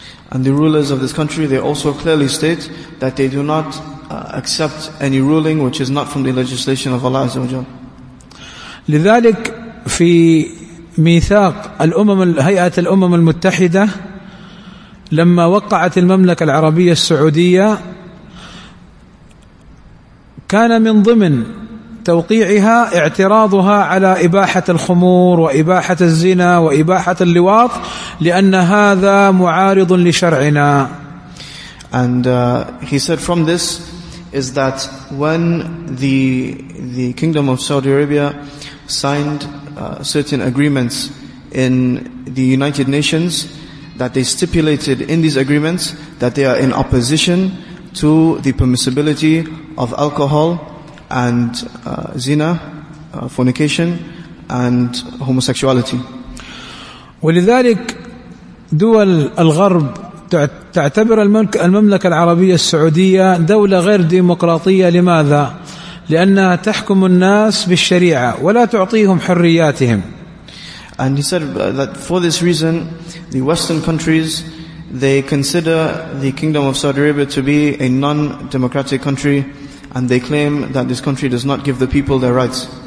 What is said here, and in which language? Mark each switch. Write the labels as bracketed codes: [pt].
[en] And the rulers of this country, they also clearly state that they do not accept any ruling which is not from the legislation of Allah [ar] عز وجل. لذلك في ميثاق هيئة الأمم المتحدة لما وقعت المملكة العربية السعودية كان من ضمن توقيعها اعتراضها على إباحة الخمور وإباحة الزنا وإباحة اللواط لأن هذا معارض لشرعنا. [en] And he said from this is that when the Kingdom of Saudi Arabia signed certain agreements in the United Nations, that they stipulated in these agreements that they are in opposition to the permissibility of alcohol and zina, fornication, and homosexuality. [ar] ولذلك دول الغرب تعتبر المملكة العربية السعودية دولة غير ديمقراطية. لماذا؟ لأنها تحكم الناس بالشريعة ولا تعطيهم حرياتهم. [en] And he said that for this reason, the Western countries, they consider the Kingdom of Saudi Arabia to be a non-democratic country, and they claim that this country does not give the people their rights.